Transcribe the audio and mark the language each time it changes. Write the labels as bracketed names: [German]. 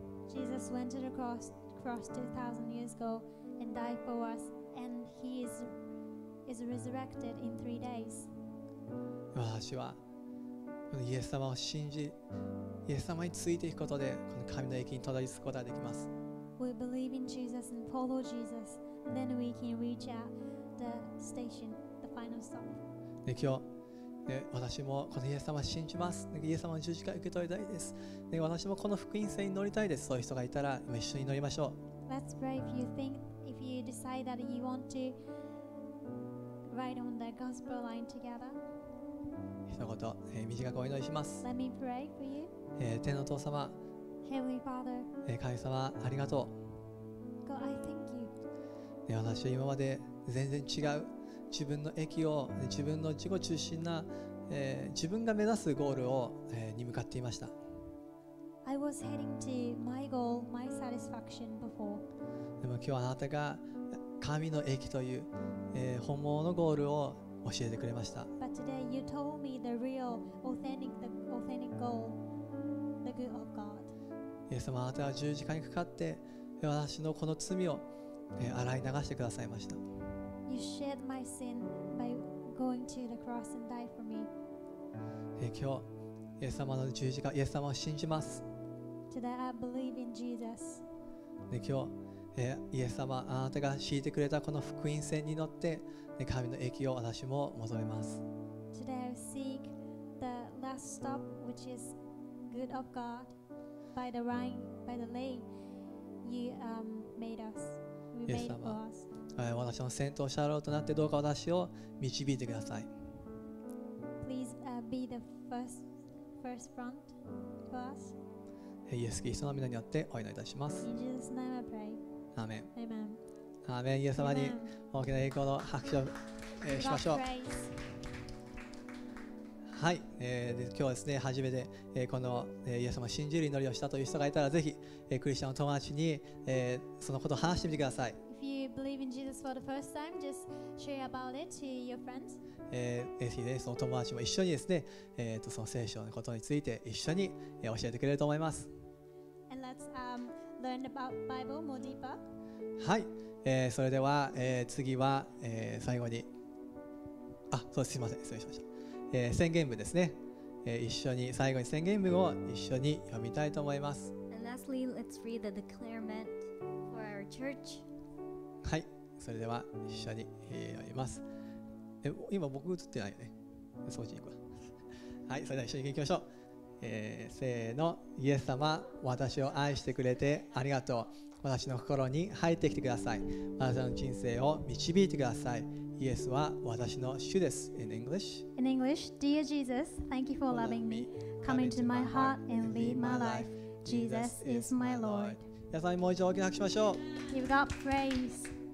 [English] Jesus went to the cross2000 years ago and died for us and he is resurrected in 3 days。 [Japanese] 私はこのイエス様を信じ、イエス様についていくことでこの神の益にたどり着くことができます。 [English] We believe in Jesus and follow Jesus and then we can reach out the station, the final stop。 [Japanese] で今日、ね、私もこのイエス様を信じます、イエス様の十字架を受け取りたいです、で私もこの福音船に乗りたいです、そういう人がいたら今一緒に乗りましょう。 [English] Let's pray if you think, if you decide that you want to ride on the gospel line together。 [Japanese] 一言、短くお祈りします。 [English] Let me pray for you. [Japanese] 天のお父様、 [English] Heavenly Father. [Japanese] 神様ありがとう。 [English] God, I thank you. [Japanese] 私は今まで全然違う自分の益を、自分の自己中心な、自分が目指すゴールを、に向かっていました。 [English] I was heading to my goal, my satisfaction before. [Japanese] でも今日あなたが神の益という、本物のゴールを教えてくれました。 [English] But today you told me the real, authentic goal, the good of God. [Japanese] イエス様、あなたは十字架にかかって私のこの罪を、洗い流してくださいました。 [English] You shed my sin by going to the cross and die for me. [Japanese] 今日、イエス様の十字架、イエス様を信じます。 [English] Today I believe in Jesus. [Japanese] 今日、イエス様、あなたが敷いてくれたこの福音船に乗って、ね、神の益を私も求めます。 [English] Today I seek the last stop which is good of God by the line, by the lane you made us, we made for us。 [Japanese] 私の先頭車両となってどうか私を導いてください。 [English] Please be the first front for us。 [Japanese] イエス・キリストの皆によってお祈りいたします。 [English] In Jesus' name I pray [Japanese] アーメン。アーメン。イエス様に大きな栄光の拍手を、しましょう。はい、で今日ですね、初めて、この、イエス様を信じる祈りをしたという人がいたら、ぜひ、クリスチャンの友達に、そのことを話してみてください。 [English] If you believe in Jesus for the first time, just share about it to your friends. [Japanese] ぜひね、その友達も一緒にですね、その聖書のことについて一緒に、教えてくれると思います。 [English] And let's, Learn about Bible more deeper. [Japanese] はい、それでは、次は、最後に、あ、そうすいません、失礼しました、宣言文ですね、一緒に最後に宣言文を一緒に読みたいと思います。 [English] And lastly, let's read the declarement for our church. [Japanese] はい、それでは一緒に、読みます。今僕映ってないよね、そっちに行くわ。はい、それでは一緒に行きましょう。せーの、イエス様、私を愛してくれてありがとう。私の心に入ってきてください。私の人生を導いてください。イエスは私の主です。 [English] In English, In English, Dear Jesus, thank you for loving me. Come into my heart and lead my life. Jesus is my Lord. [Japanese] 皆さんにもう一度大きな拍手しましょう。 [English] Give God praise.